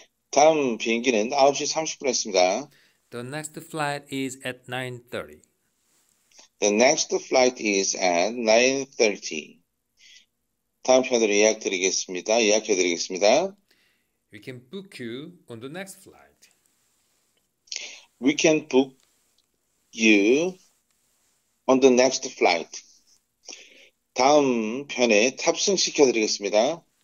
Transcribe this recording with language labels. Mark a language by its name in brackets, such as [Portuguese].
[Korean] 다음 비행기는 9시 30분에 있습니다. [English] The next flight is at 9:30. [Korean] 다음 편으로 예약해 드리겠습니다. [English] We can book you on the next flight. We can book you on the next flight. [Korean] 다음 편에 탑승시켜드리겠습니다.